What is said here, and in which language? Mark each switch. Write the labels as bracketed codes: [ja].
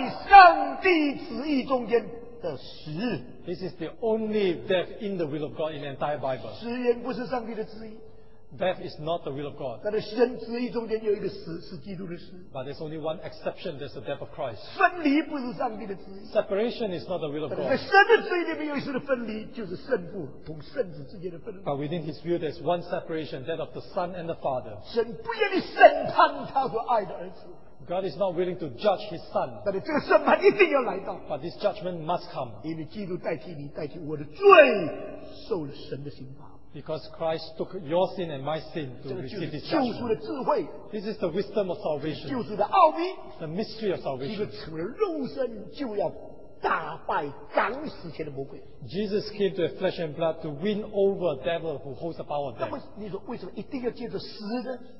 [zh] 这个全本圣经中间记载唯一在上帝旨意中间的死, [en] this is the only death in the will of God in the entire Bible. [zh] 死人不是上帝的旨意, [en] death is not the will of God. [zh] 但是神旨意中间有一个死, [en] but there's only one exception, there's the death of Christ. [zh] 分离不是上帝的旨意, [en] separation is not the will of God. [zh] 但是神的旨意里面有一次的分离, 就是圣父, 同圣子之间的分离, [en] but within his view, there's one separation, that of the Son and the Father. [zh] 神不愿意审判他所爱的儿子, [en] God is not willing to judge his Son. [zh] 但是这个审判一定要来到, [en] but this judgment must come. [zh] 因为基督代替你, 代替我的罪, 受了神的刑罚, [en] because Christ took your sin and my sin to receive his judgment. This is the wisdom of salvation, the mystery of salvation. Jesus came to the flesh and blood to win over a devil who holds the power of death.